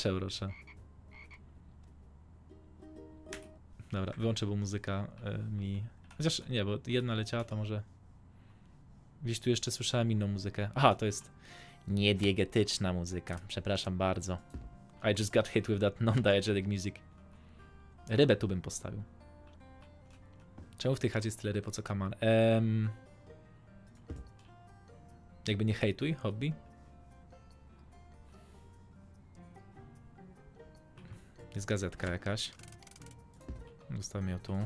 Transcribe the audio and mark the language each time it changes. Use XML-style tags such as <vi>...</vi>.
<pl>Proszę. Dobra, wyłączę, bo muzyka mi... Chociaż nie, bo jedna leciała, to może... Gdzieś tu jeszcze słyszałem inną muzykę. Aha, to jest niediegetyczna muzyka. Przepraszam bardzo.</pl> <en>I just got hit with that non-diegetic music.</en> <pl>Rybę tu bym postawił. Czemu w tej chacie jest tyle ryb, po co kaman? Jakby nie hejtuj, hobby. Jest gazetka jakaś. Zostawiam ją tu.</pl>